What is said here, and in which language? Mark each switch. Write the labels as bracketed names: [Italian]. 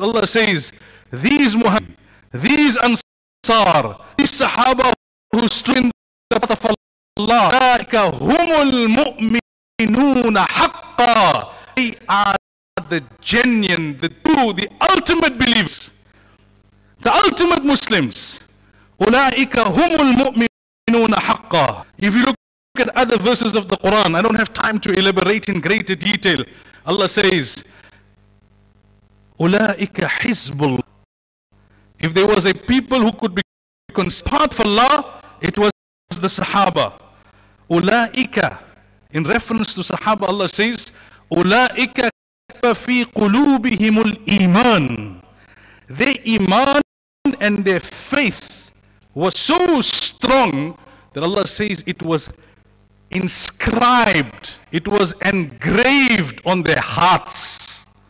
[English] Allah says, these Muhammad, these Ansar, these Sahaba who strength the path of Allah, [Arabic] ذَٰلِكَ هُمُ الْمُؤْمِنُونَ حَقَّى, [English] they are the genuine, the true, the ultimate believers, the ultimate Muslims. [Arabic] أُولَٰئِكَ هُمُ الْمُؤْمِنُونَ حَقَّى. [English] If you look at other verses of the Quran, I don't have time to elaborate in greater detail. Allah says, [Arabic] أُولَٰئِكَ حِزْبُ اللَّهِ. [English] If there was a people who could be considered for Allah, it was the Sahaba. [Arabic] أُولَٰئِكَ. [English] In reference to Sahaba, Allah says, [Arabic] أُولَٰئِكَ كَتَبَ فِي قُلُوبِهِمُ الْإِيمَانِ. [English] Their iman and their faith was so strong that Allah says it was inscribed, it was engraved on their hearts.